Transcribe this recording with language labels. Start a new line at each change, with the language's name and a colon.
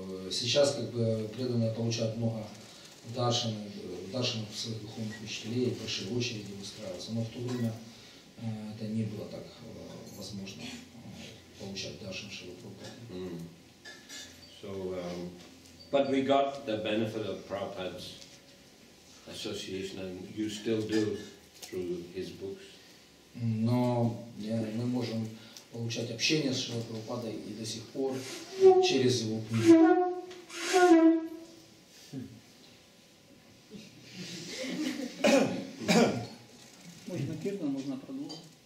Russian: Сейчас как бы преданные получают много даршан в своих духовных учителей, в большие очереди выстраиваются, но в то время это не было так возможно получать даршан Шрилы Прабхупады. Mm.
English: So, but we got the benefit of Prabhupada's association, and you still do through his books.
Russian: Но мы можем получать общение с Шрилой Прабхупадой и до сих пор через его книги. Можно киртан, можно продолжить.